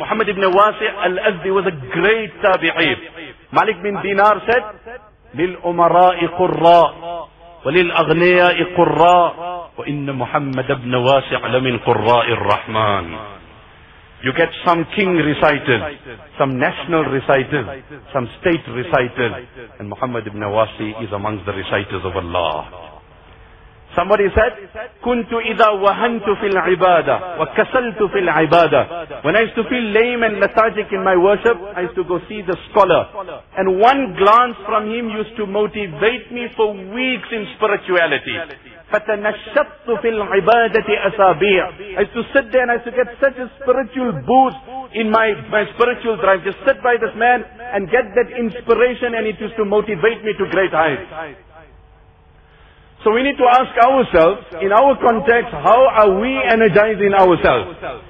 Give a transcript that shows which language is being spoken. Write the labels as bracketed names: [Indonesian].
[English] Muhammad ibn Wasi' al-Azdi was a great tabi'i. Malik bin Dinar said, [Arabic] Lil umara'i qurra. وللأغنياء قراء وإن محمد ابن واسع لمن قراء الرحمن. [English] You get some king recited, some national recited, some state recited, and Muhammad ibn Wasi is amongst the reciters of Allah. Somebody said, [Arabic] كنت إذا وهنت في العبادة وكسلت في العبادة. [English] When I used to feel lame and lethargic in my worship, I used to go see the scholar. And one glance from him used to motivate me for weeks in spirituality. [Arabic] فتنشطت في العبادة أسابيع. [English] I used to sit there and I used to get such a spiritual boost in my spiritual drive. Just sit by this man and get that inspiration, and it used to motivate me to great heights. So we need to ask ourselves, in our context, how are we energizing ourselves?